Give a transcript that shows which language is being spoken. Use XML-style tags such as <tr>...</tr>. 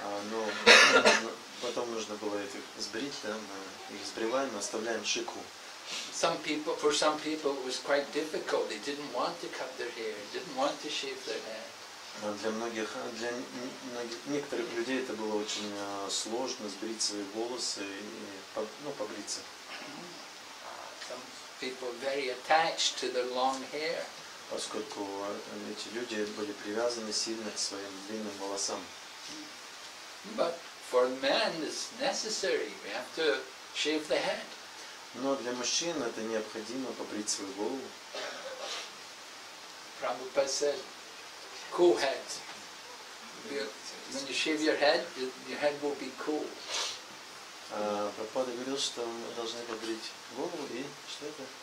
<ru>Но потом нужно было это сбрить, да, мы их сбриваем, оставляем шику.</ru> <en>For some people it was quite difficult. They didn't want to cut their hair, didn't want to shave their head.</en> <ru>Для многих некоторых людей это было очень сложно сбрить свои волосы и побриться.</ru> <en>Some people very attached to their long hair.</en> <ru>Поскольку эти люди были привязаны сильно к своим длинным волосам.</ru> <en>But for men, it's necessary. We have to shave the head.</en> <ru>Но для мужчин это необходимо побрить свою голову.</ru> <en>Prabhupada said, "Cool head. When you shave your head, your head will be cool."</en> <ru>Прабхупада говорил, что мы должны побрить голову и что это?</ru>